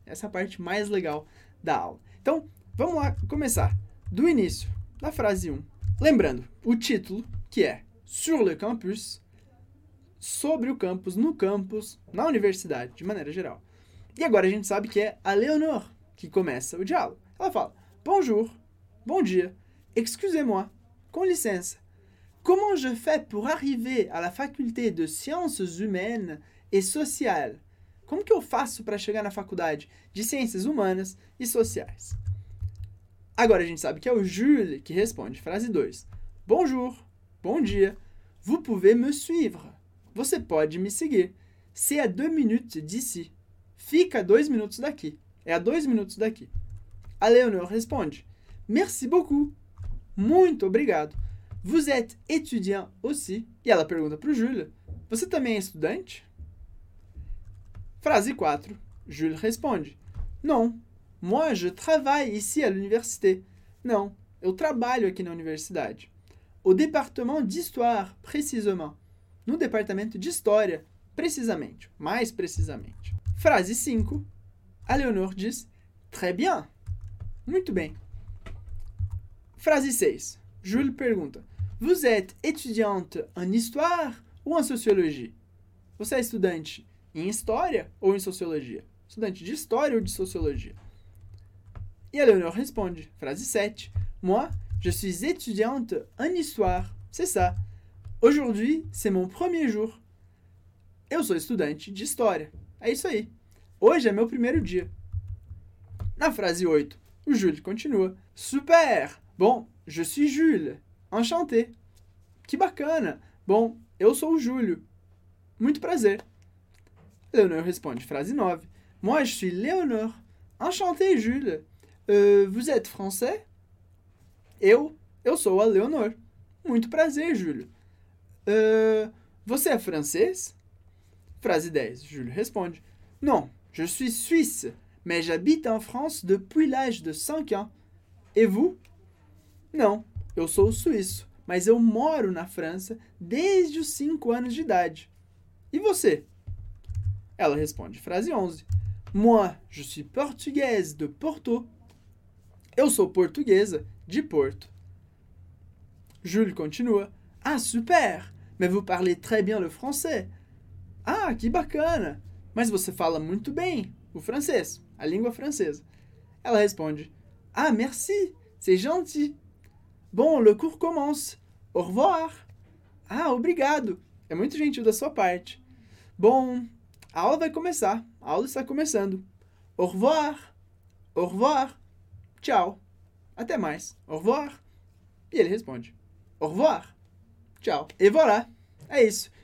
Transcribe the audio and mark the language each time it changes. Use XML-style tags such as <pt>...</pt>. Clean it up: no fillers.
<pt>Essa é a parte mais legal da aula. Então, vamos lá começar do início, da frase 1. Lembrando, o título, que é</pt> <fr>Sur le campus,</fr> <pt>sobre o campus, no campus, na universidade, de maneira geral. E agora a gente sabe que é a Léonore que começa o diálogo. Ela fala, bonjour, bom dia, excusez-moi, com licença.</pt> <fr>Comment je fais pour arriver à la faculté de sciences humaines et sociales?</fr> <pt>Como que eu faço para chegar na faculdade de ciências humanas e sociais? Agora a gente sabe que é o Jules que responde. Frase 2. Bonjour. Bom dia.</pt> <fr>Vous pouvez me suivre.</fr> <pt>Você pode me seguir.</pt> <fr>C'est à 2 minutes d'ici.</fr> <pt>Fica 2 minutos daqui. É a 2 minutos daqui. A Léonore responde.</pt> <fr>Merci beaucoup.</fr> <pt>Muito obrigado.</pt> <fr>Vous êtes étudiant aussi.</fr> <pt>E ela pergunta para o Jules. Você também é estudante? Frase 4. Jules responde.</pt> <fr>Non. Moi, je travaille ici à l'université.</fr> <pt>Non, eu trabalho aqui na universidade. O departamento de história, precisamente. No departamento de história, precisamente. Mais precisamente. Frase 5. A Leonor diz:</pt> <fr>Très bien.</fr> <pt>Muito bem. Frase 6.</pt> <fr>Jules</fr> <pt>pergunta:</pt> <fr>Vous êtes étudiante en histoire ou en sociologie?</fr> <pt>Você é estudante em história ou em sociologia? Estudante de história ou de sociologia? E a Leonor responde, frase 7.</pt> <fr>Moi, je suis étudiante en histoire. C'est ça. Aujourd'hui, c'est mon premier jour.</fr> <pt>Eu sou estudante de história. É isso aí. Hoje é meu primeiro dia. Na frase 8, o Jules continua. Super!</pt> <fr>Bon, je suis Jules. Enchanté.</fr> <pt>Que bacana. Bom, eu sou o Júlio. Muito prazer. Leonor responde, frase 9.</pt> <fr>Moi, je suis Leonor. Enchanté, Jules. Vous êtes français?</fr> <pt>Eu sou a Leonor. Muito prazer, Júlio. Você é francês? Frase 10. Júlio responde.</pt> <fr>Non, je suis suisse, mais j'habite en France depuis l'âge de 5 ans. Et vous?</fr> <pt>Non, eu sou suíço, mas eu moro na França desde os 5 anos de idade. E você? Ela responde. Frase 11.</pt> <fr>Moi, je suis portugaise de Porto.</fr> <pt>Eu sou portuguesa de Porto. Jules continua. Ah, super!</pt> <fr>Mais vous parlez très bien le français.</fr> <pt>Ah, que bacana! Mas você fala muito bem o francês, a língua francesa. Ela responde.</pt> <fr>Ah, merci! C'est gentil! Bon, le cours commence. Au revoir!</fr> <pt>Ah, obrigado! É muito gentil da sua parte. Bom, a aula vai começar. A aula está começando. Au revoir! Au revoir! Tchau. Até mais. Au revoir. E ele responde. Au revoir. Tchau. Et voilà. É isso.</pt>